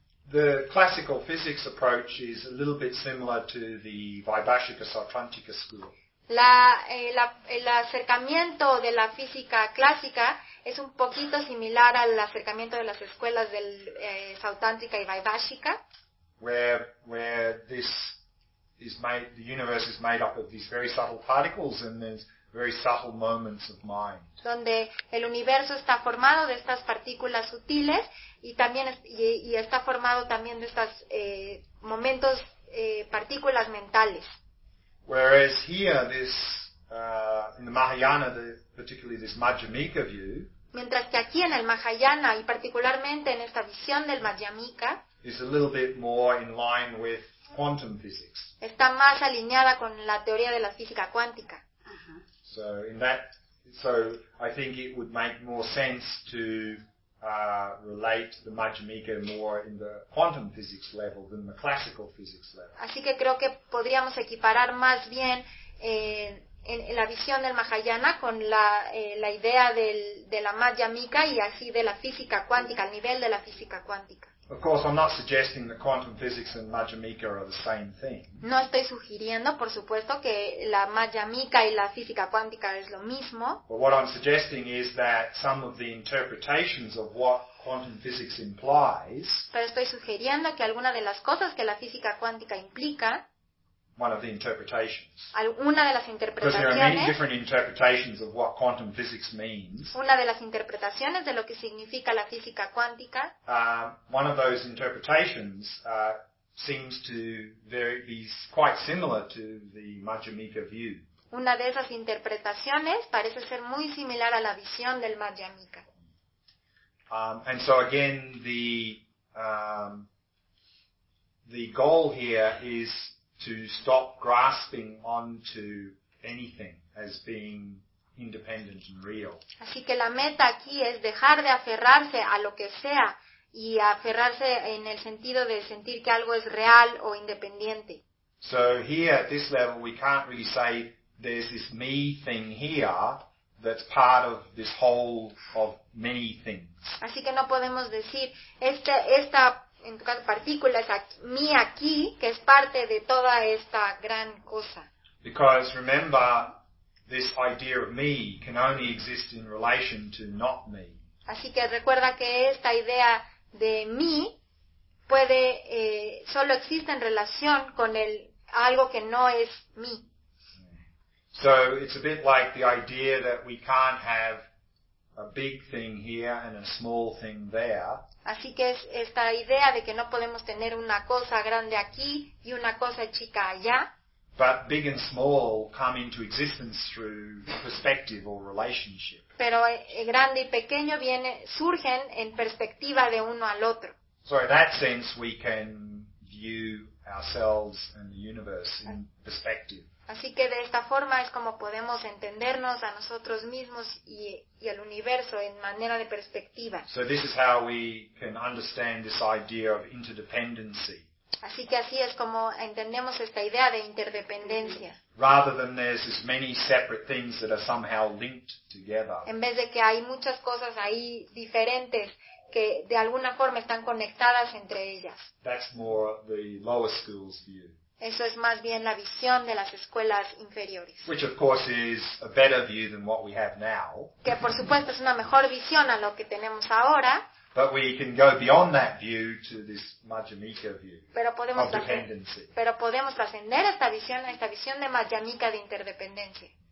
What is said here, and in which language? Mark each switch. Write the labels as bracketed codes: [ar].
[en] The classical physics approach is a little bit similar to the Vaibhashika Sautrantika school. [es] El acercamiento de la física clásica es un poquito similar al acercamiento de las escuelas del Sautántrica y Vaibhashika. [en] Where this is made, the universe is made up of these very subtle particles and there's very subtle moments of mind. [es] Donde el universo está formado de estas partículas sutiles y también y está formado también de estas momentos partículas mentales. [en] Whereas here, this in the Mahayana, particularly this Madhyamika view, [es] mientras que aquí en el Mahayana y particularmente en esta visión del Madhyamika, [en] is a little bit more in line with quantum physics. [es] Está más alineada con la teoría de la física cuántica. [en] So in that, I think it would make more sense to relate the Madhyamika more in the quantum physics level than the classical physics level. [es] Así que creo que podríamos equiparar más bien en la visión del Mahayana con la idea de la Madhyamika y así de la física cuántica, al nivel de la física cuántica. [en] Of course, I'm not suggesting that quantum physics and Madhyamika are the same thing. [es] No estoy sugiriendo, por supuesto, que la Madhyamika y la física cuántica es lo mismo. [en] But what I'm suggesting is that some of the interpretations of what quantum physics implies. [es] Pero estoy sugiriendo que alguna de las cosas que la física cuántica implica. [en] One of the interpretations. [es] Alguna de las interpretaciones. [en] Because there are many different interpretations of what quantum physics means. [es] Una de las interpretaciones de lo que significa la física cuántica. [en] One of those interpretations seems to be quite similar to the Madhyamika view. [es] Una de esas interpretaciones parece ser muy similar a la visión del Madhyamika. [en] And so again, the goal here is to stop grasping onto anything as being independent and real. [es] Así que la meta aquí es dejar de aferrarse a lo que sea y aferrarse en el sentido de sentir que algo es real o independiente. [en] So here at this level we can't really say there's this me thing here that's part of this whole of many things. [es] Así que no podemos decir esta en tu caso, partículas mi aquí, que es parte de toda esta gran cosa. [en] Because remember, this idea of me can only exist in relation to not me. [es] Así que recuerda que esta idea de mí puede solo existe en relación con el algo que no es mí. [en] So it's a bit like the idea that we can't have a big thing here and a small thing there. [es] Así que es esta idea de que no podemos tener una cosa grande aquí y una cosa chica allá. [en] But big and small come into existence through perspective or relationship. [es] Pero grande y pequeño surgen en perspectiva de uno al otro. [en] So in that sense we can view ourselves and the universe in perspective. [es] Así que de esta forma es como podemos entendernos a nosotros mismos y al universo en manera de perspectiva. [en] So this is how we can understand this idea of interdependency. [es] Así que así es como entendemos esta idea de interdependencia. [en] Rather than there's as many separate things that are somehow linked together. [es] En vez de que hay muchas cosas ahí diferentes que de alguna forma están conectadas entre ellas. [en] That's more the lower school's view. [es] Eso es más bien la visión de las escuelas inferiores. [en] Which of course is a better view than what we have now. [es] Que por supuesto es una mejor visión a lo que tenemos ahora. [en] But we can go beyond that view to this Madhyamika view. [es] Pero podemos trascender esta visión de Madhyamika de interdependencia.